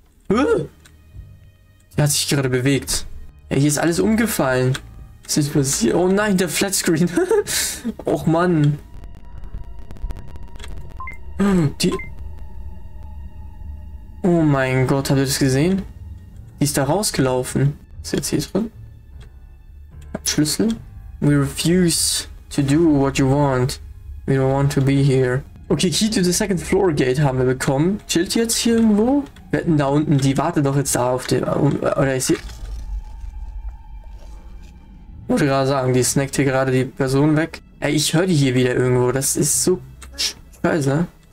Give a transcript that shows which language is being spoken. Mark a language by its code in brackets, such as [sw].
[de] Die hat sich gerade bewegt. Ja, hier ist alles umgefallen. Was ist passiert? Oh nein, der Flatscreen. Och Mann. Die. Oh mein Gott, habt ihr das gesehen? Die ist da rausgelaufen. Ist jetzt hier drin? Schlüssel? [en] We refuse to do what you want. We don't want to be here. Okay, Key to the second floor gate [de] haben wir bekommen. Chillt jetzt hier irgendwo? Wetten da unten, die wartet doch jetzt da auf dem. Oder ist sie. Wollte gerade sagen, die snackt hier gerade die Person weg. Ey, ich höre die hier wieder irgendwo. Das ist so scheiße.